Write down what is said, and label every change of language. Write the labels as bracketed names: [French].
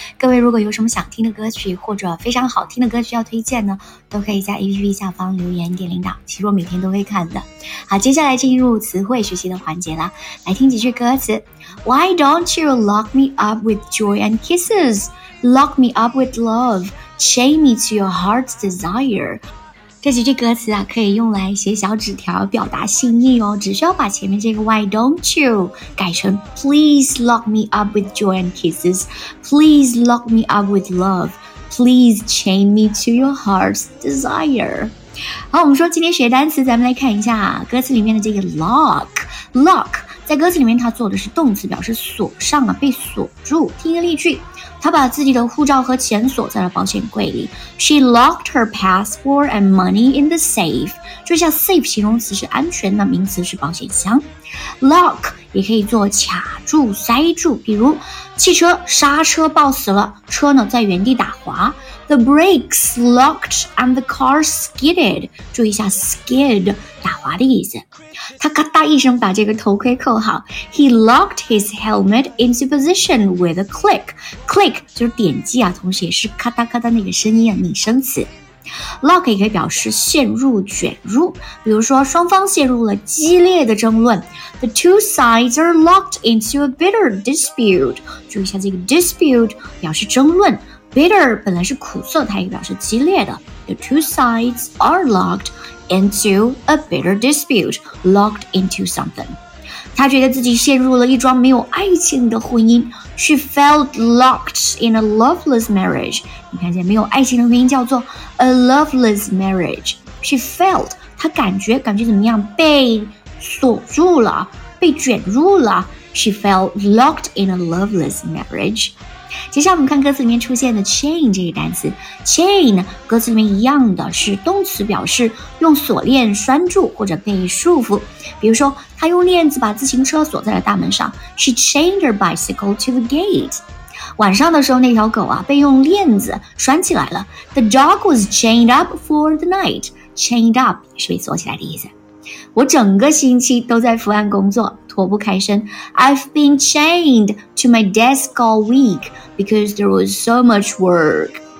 [Chinese] 各位如果有什么想听的歌曲或者非常好听的歌曲要推荐呢，都可以在 APP 下方留言给领导，其实我每天都会看的。好，接下来进入词汇学习的环节啦，来听几句歌词。 [English] Why don't you lock me up with joy and kisses? Lock me up with love. Chain me to your heart's desire. [Chinese] 这几句歌词啊，可以用来写小纸条表达心意哦，只需要把前面这个 [English] Why don't you [Chinese] 改成 [English] Please lock me up with joy and kisses, Please lock me up with love, Please chain me to your heart's desire。 [Chinese] 好，我们说今天学单词，咱们来看一下歌词里面的这个 lock 在歌词里面它做的是动词，表示锁上啊，被锁住。听一个例句，她把自己的护照和钱锁在了保险柜里。 [English] She locked her passport and money in the safe. [Chinese] 就像 [English] safe [Chinese] 形容词是安全的，名词是保险箱。 [English] Lock [Chinese] 也可以做卡住、塞住，比如汽车刹车抱死了，车呢在原地打滑。 [English] The brakes locked and the car skidded. [Chinese] 注意一下 skid 打滑的意思。他咔嗒一声把这个头盔扣好。 [English] He locked his helmet into position with a click. [Chinese] Click 就是点击啊，同时也是咔嗒咔嗒那个声音啊，拟声词。 Lock 也可以表示陷入、卷入，比如说双方陷入了激烈的争论。 [English] The two sides are locked into a bitter dispute. [Chinese] 注意一下这个 dispute 表示争论。Bitter 本来是苦涩，它也表示激烈的。 [English] The two sides are locked into a bitter dispute. Locked into something. [Chinese] 他觉得自己陷入了一桩没有爱情的婚姻。 [English] She felt locked in a loveless marriage. [Chinese] 你看见没有爱情的婚姻叫做 a loveless marriage. [English] She felt, [Chinese] 她感觉怎么样？被锁住了，被卷入了。 [English] She felt locked in a loveless marriage. [Chinese] 接下来我们看歌词里面出现的 [English] chain [Chinese] 这个单词。 chain 歌词里面一样的是动词，表示用锁链拴住或者被束缚。比如说他用链子把自行车锁在了大门上。 [English] She chained her bicycle to the gate. [Chinese] 晚上的时候那条狗啊被用链子拴起来了。 [English] The dog was chained up for the night. [Chinese] Chained up 是被锁起来的意思。我整个星期都在伏案工作，脱不开身。 [English] I've been chained to my desk all week because there was so much work.